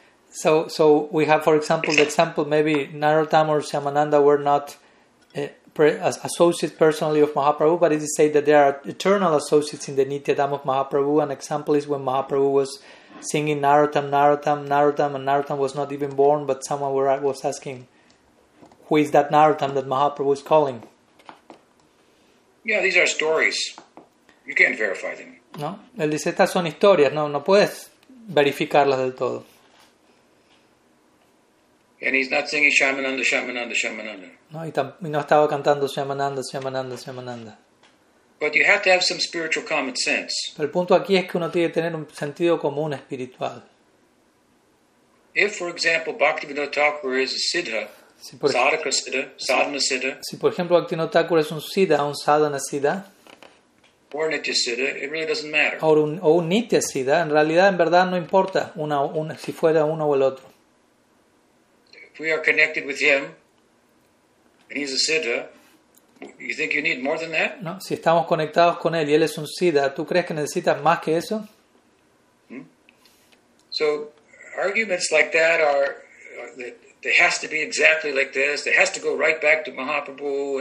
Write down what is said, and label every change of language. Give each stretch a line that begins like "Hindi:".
English: So we have, for example, the example, maybe Narottam or Shyamananda were not associates personally of Mahaprabhu, but it is said that they are eternal associates in the Nityadham of Mahaprabhu. An example is when Mahaprabhu was singing Narottam, Narottam, Narottam, and Narottam was not even born, but someone was asking, who is that Narottam that Mahaprabhu is calling? Yeah, these are stories. You can't verify them.
Spanish: No, él dice, estas son historias, no puedes verificarlas del todo.
English: And he's not singing Shyamananda, Shyamananda, Shyamananda.
Spanish: No, y no estaba cantando Shyamananda, Shyamananda, Shyamananda.
English: But you have to have some spiritual common sense.
Spanish: Pero el punto aquí es que uno tiene que tener un sentido común espiritual.
English: If, for example, Bhaktivinoda Thakur is a siddha, sadhaka siddha, sadhana siddha.
Spanish: Si por ejemplo Bhaktivinoda Thakur es un siddha, un sadhana siddha.
English: Or nitya siddha, it really doesn't matter.
Spanish: O un nitya siddha, en realidad, en verdad, no importa si fuera uno o el otro.
English: If we are connected with him, and he's a siddha, you think you need more than that?
Spanish: No, si estamos conectados con él y él es un siddha, ¿tú crees que necesitas más que eso?
English: So, arguments like that are that there has to be exactly like this. There has to go right back to Mahaprabhu.